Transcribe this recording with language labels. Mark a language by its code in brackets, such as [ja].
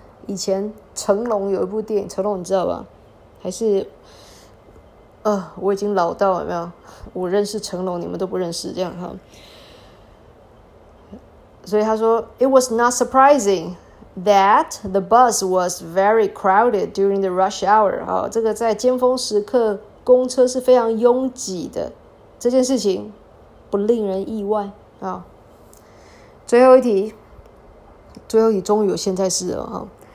[zh] 以前成龙有一部电影，成龙你知道吧？还是，我已经老到了，有没有？我认识成龙，你们都不认识，这样哈。所以他说 [en] ，It was not surprising. That the bus was very crowded during the rush hour. [zh] 好，这个在尖峰时刻，公车是非常拥挤的。这件事情不令人意外啊。最后一题，最后一题终于有现在式了啊。